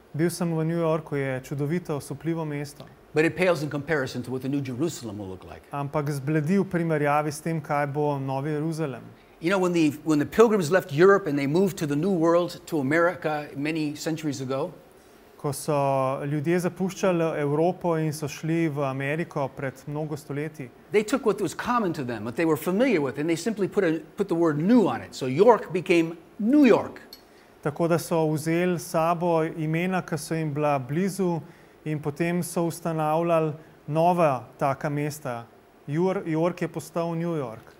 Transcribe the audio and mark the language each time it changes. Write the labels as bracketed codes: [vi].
[sl] Bil sem v New Yorku, je čudovito, osupljivo mesto. [en] But it pales in comparison to what the New Jerusalem will look like. [sl] Ampak zbledi v primerjavi s tem, kaj bo Novi Jeruzalem. [en] You know, when the pilgrims left Europe and they moved to the New World, to America, many centuries ago, [sl] ko so ljudje zapuščali Evropo in so šli v Ameriko pred mnogo stoletji, [en] they took what was common to them, what they were familiar with, and they simply put the word new on it. So York became New York. [sl] Tako da so vzeli sabo imena, ki so jim bila blizu, in potem so ustanavljali nova taka mesta. York je postal New York.